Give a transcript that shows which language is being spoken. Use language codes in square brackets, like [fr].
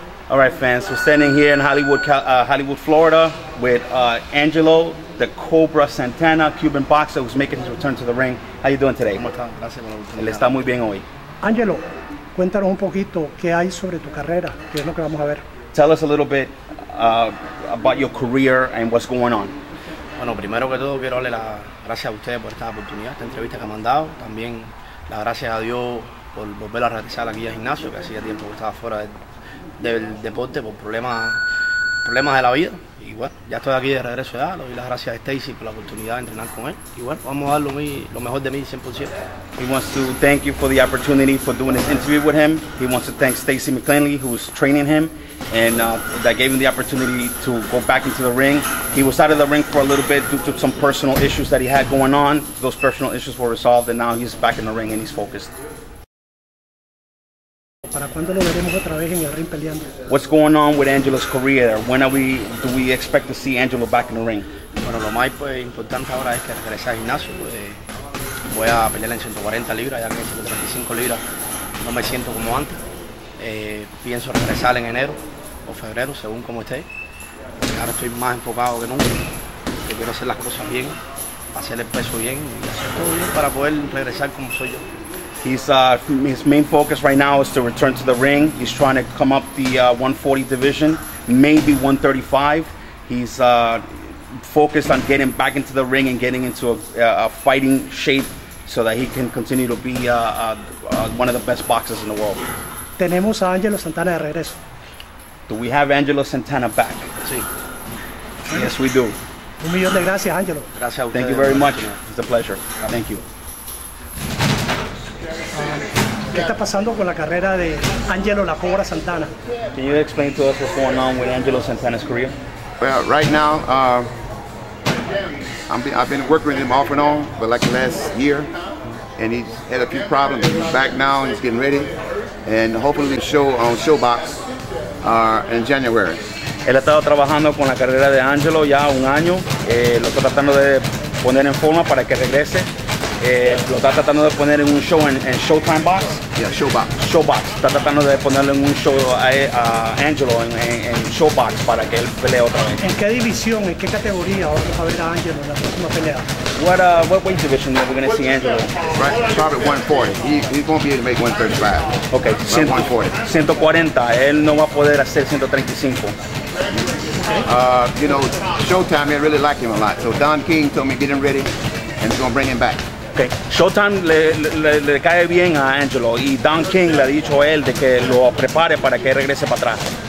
[en] All right, fans, we're standing here in Hollywood, Florida with Angelo, the Cobra Santana, Cuban boxer who's making his return to the ring. How you doing today? [es] ¿Cómo está? Gracias por la oportunidad. Le está muy bien hoy. Angelo, cuéntanos un poquito qué hay sobre tu carrera, qué es lo que vamos a ver. [en] Tell us a little bit about your career and what's going on. [es] Bueno, primero que todo quiero darle las gracias a ustedes por esta oportunidad, esta entrevista que me han dado. También las gracias a Dios por volver a regresar aquí al gimnasio, que hacía tiempo que estaba fuera del deporte por problemas de la vida. Y bueno, ya estoy aquí de regreso ya. Le doy las gracias a Stacy por la oportunidad de entrenar con él. Y bueno, vamos a dar lo mejor de mí 100%. [en] He wants to thank you for the opportunity for doing this interview with him. He wants to thank Stacy McClanley, who's training him, and that gave him the opportunity to go back into the ring. He was out of the ring for a little bit due to some personal issues that he had going on. Those personal issues were resolved, and now he's back in the ring and he's focused. [es] ¿Para cuándo lo veremos otra vez en el ring peleando? [en] What's going on with Angelo's career? When are we, do we expect to see Angelo back in the ring? [es] Bueno, lo más importante ahora es que regrese al gimnasio. Voy a pelear en 140 libras, ya que en 135 libras no me siento como antes. Pienso regresar en enero o febrero, según como esté. Ahora estoy más enfocado que nunca. Yo quiero hacer las cosas bien, hacer el peso bien y hacer todo bien para poder regresar como soy yo. [en] His main focus right now is to return to the ring. He's trying to come up the 140 division, maybe 135. He's focused on getting back into the ring and getting into a fighting shape so that he can continue to be one of the best boxers in the world. [es] Tenemos a Angelo Santana de regreso. [en] Do we have Angelo Santana back? [es] Sí. [en] Yes, we do. [es] Un millón de gracias, Angelo. Gracias a usted. [en] Thank you very much. It's a pleasure. Thank you. [es] ¿Qué está pasando con la carrera de Angelo La Cobra Santana? [en] Can you explain to us what's going on with Angelo Santana's career? Well, right now, I've been working with him off and on for like the last year, and he's had a few problems. He's back now, and he's getting ready, and hopefully show on Showbox in January. [es] Él ha estado trabajando con la carrera de Angelo ya un año. Lo está tratando de poner en forma para que regrese. Lo está tratando de poner en un show en Showtime Box. [en] Yeah, Showbox. Showbox. Está tratando de ponerle en un show a Angelo en Showbox para que él pelee otra vez. [es] ¿En qué división, en qué categoría vamos a ver a Angelo en la próxima pelea? [en] What weight division are we going to see Angelo? Right, probably 140. He's going to be able to make 135. [es] Okay, 140. Él no va a poder hacer 135. [en] You know, Showtime, I really like him a lot. So Don King told me get him ready, and he's going to bring him back. Okay. [es] Showtime le cae bien a Angelo y Don King le ha dicho a él de que lo prepare para que regrese para atrás.